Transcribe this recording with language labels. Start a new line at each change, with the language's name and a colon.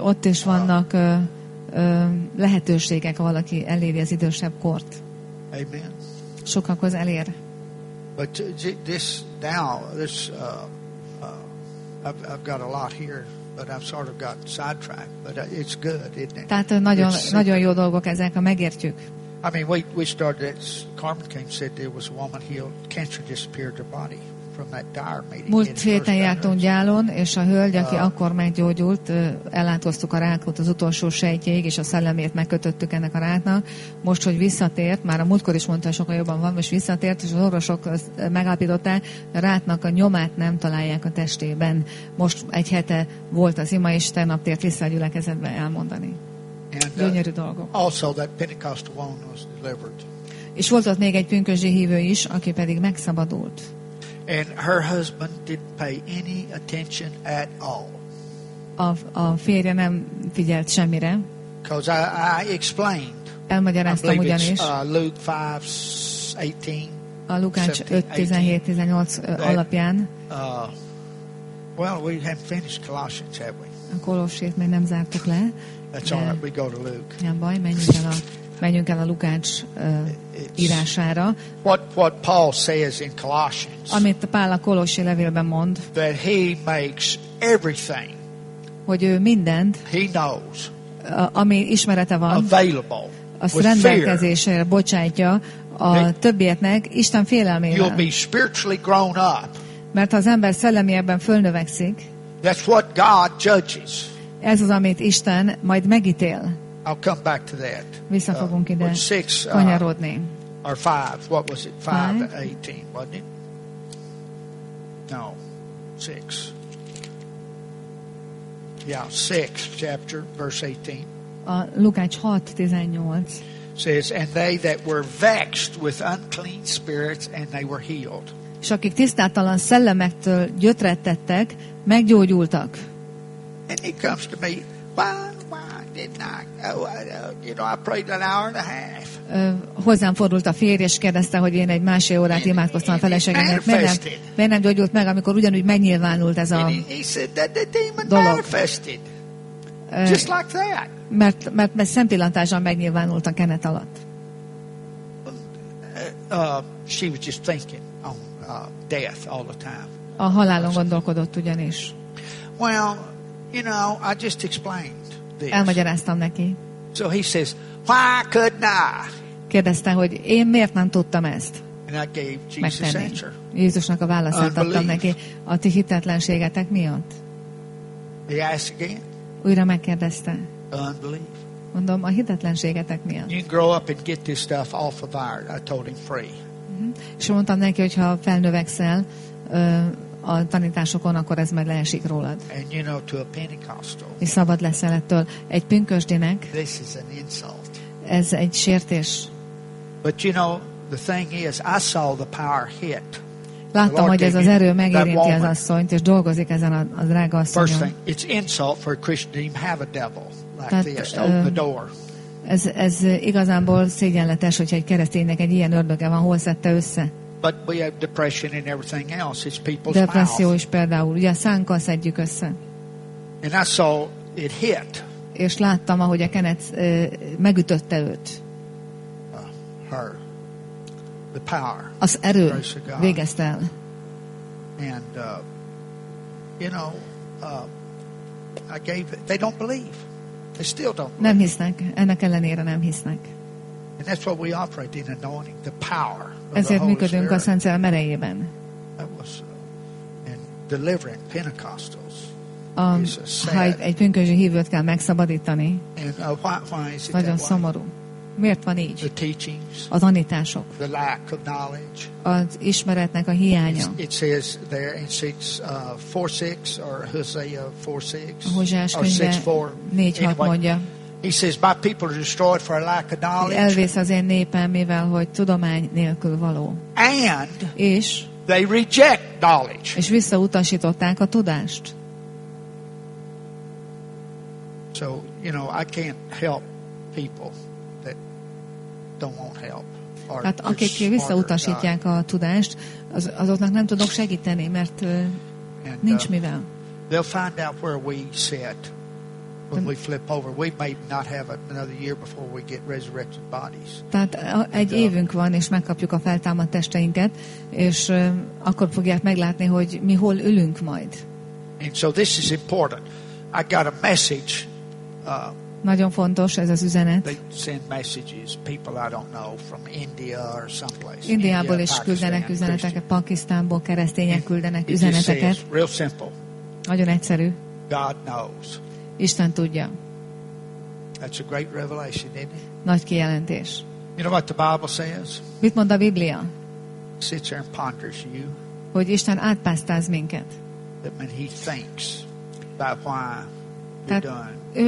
Hungarian: ott is vannak lehetőségek, ha valaki eléri az idősebb kort. Amen. Sokakhoz elér.
English: But this now, this I've got a lot here, but I've sort of got sidetracked. But it's good, isn't it?
Hungarian: Tehát nagyon it's, nagyon jó dolgok ezek, ha megértjük.
English: I mean, we started. Carmen came said there was a woman healed, cancer disappeared her body from that dire meeting.
Hungarian: Múlt héten jártunk gyálon, és a hölgy, aki akkor meggyógyult, ellátoztuk a rákot az utolsó sejtjéig, és a szellemét megkötöttük ennek a ráknak. Most, hogy visszatért, már a múltkor is mondta, sokkal jobban van, most visszatért, és az orvosok megállapították, a ráknak a nyomát nem találják a testében. Most egy hete volt az ima, és tegnap tért vissza a gyülekezetbe elmondani. Gyönyörű dolgok.
English: Also that Pentecostal woman was delivered.
Hungarian: És volt ott még egy pünkösdi hívő is, aki pedig megszabadult.
English: And her husband didn't pay any attention at all.
Hungarian: A férje nem figyelt semmire.
English: Because I explained.
Hungarian: Elmagyaráztam ugyanis.
English: Luke 5:18.
Hungarian: A Lukács 5:17-18 alapján.
English: Well, we haven't finished Colossians, have we?
Hungarian: A Kolossét még nem zártuk le.
English: That's all right. We go to Luke.
Hungarian: Nem baj, menjünk el a Lukács írására.
English: What Paul says in Colossians.
Hungarian: Amit Pál a Kolossi levélben mond.
English: That he makes everything.
Hungarian: Hogy ő mindent.
English: He knows.
Hungarian: Ami ismerete van.
English: Available.
Hungarian: A rendelkezésére bocsátja a többieknek Isten félelmével.
English: You'll be spiritually grown up.
Hungarian: Mert az ember szellemében fölnövekszik.
English: That's what God judges.
Hungarian: Ez az, amit Isten majd megítél.
English: I'll come back to that.
Hungarian: Vissza fogunk ide.
English: Six,
Hungarian: kanyarodni.
English: Or five. What was it? Five to 18, wasn't it? No. Six. Yeah, six chapter, verse 18.
Hungarian: Lukács 6:18.
English: Says, and they that were vexed with unclean spirits, and they were healed.
Hungarian: És akik tisztátalan szellemektől gyötrettettek, meggyógyultak.
English: And he comes to me, Why didn't I prayed an hour and a half.
Hungarian: Hozzám fordult a férj, és kérdezte, hogy én egy másfél órát imádkoztam a feleségemet. Miért nem gyógyult meg, amikor ugyanúgy megnyilvánult ez a dolog?
English: Just like that.
Hungarian: Mert szempillantásban megnyilvánult a kenet alatt.
English: She was just thinking on death all the time.
Hungarian: A halálon gondolkodott ugyanis.
English: Well, you know, I just explained.
Hungarian: Elmagyaráztam neki.
English: So he says, why couldn't I?
Hungarian: Kérdezte, hogy én miért nem tudtam ezt.
English: And I gave Jesus
Hungarian: megtenni.
English: Answer.
Hungarian: Jézusnak a válaszát adtam neki. A ti hitetlenségetek miatt.
English: He asked again.
Hungarian: Újra megkérdezte.
English: Unbelief.
Hungarian: Mondom, a hitetlenségetek miatt.
English: You can grow up and get this stuff off of our, I told him free.
Hungarian: És mondtam neki, hogy ha felnövekszel a tanításokon, akkor ez majd leesik rólad.
English: And you know, to a Pentecostal.
Hungarian: És szabad leszel ettől. Egy pünkösdinek.
English: This is an insult.
Hungarian: Ez egy sértés.
English: But you know, the thing is, I saw the power hit.
Hungarian: Láttam, hogy ez az erő megérinti az asszonyt, és dolgozik ezen a drága asszonyon.
English: First thing, it's insult for a Christian to even have a devil like this to open the door.
Hungarian: Ez igazából szégyenletes, hogyha egy kereszténynek egy ilyen ördöge van, hol szedte össze.
English: But we have depression and everything else. It's people's
Hungarian: depresszió
English: mouth.
Hungarian: Is például. Ugye a szánkkal szedjük össze.
English: And I saw it hit.
Hungarian: És láttam, ahogy a kenet megütötte őt.
English: Her. The power.
Hungarian: Az erő végezte el.
English: And You know, I gave it. They don't believe. They still don't believe.
Hungarian: Nem hisznek. Ennek ellenére nem hisznek.
English: And that's what we operate in, anointing, the power of the Holy Spirit.
Hungarian: A Szent Szellem erejében.
English: That was in delivering Pentecostals.
Hungarian: Ha egy pünkösdi hívőt kell megszabadítani,
English: and, why is it
Hungarian: nagyon szomorú. Miért van így?
English: The teachings,
Hungarian: az tanítások.
English: The lack of knowledge.
Hungarian: Az ismeretnek a hiánya.
English: It says there in 4:6 or Hosea 4:6.
Hungarian: Hozsás könyve 4:6 mondja.
English: He says, "My people are destroyed for a lack of knowledge."
Hungarian: Elvész az én népem, mivel hogy tudomány nélkül való.
English: And
Hungarian: és
English: they reject knowledge.
Hungarian: És visszautasították a tudást.
English: So, you know, I can't help people that don't want help.
Hungarian: Hát akik visszautasítják a tudást, azoknak nem tudok segíteni, mert and, nincs mivel.
English: They'll find out where we sit. When we flip over, we may not have another year before we get resurrected bodies.
Hungarian: Tehát egy évünk van, és megkapjuk a feltámadt testeinket, és akkor fogják meglátni, hogy mi hol ülünk majd.
English: And so this is important. I got a message.
Hungarian: Nagyon fontos ez az üzenet.
English: They send messages, people I don't know, from India or someplace.
Hungarian: Indiából is küldenek üzeneteket, Pakisztánból keresztények küldenek üzeneteket.
English: Real simple.
Hungarian: Nagyon egyszerű.
English: God knows.
Hungarian: Isten tudja.
English: That's a great revelation, isn't it?
Hungarian: Nagy kijelentés.
English: You know what the Bible says?
Hungarian: Mit mond a Biblia?
English: Sits there and ponders you.
Hungarian: Hogy Isten átpásztáz minket.
English: That when he thinks about why you're doing what you're doing.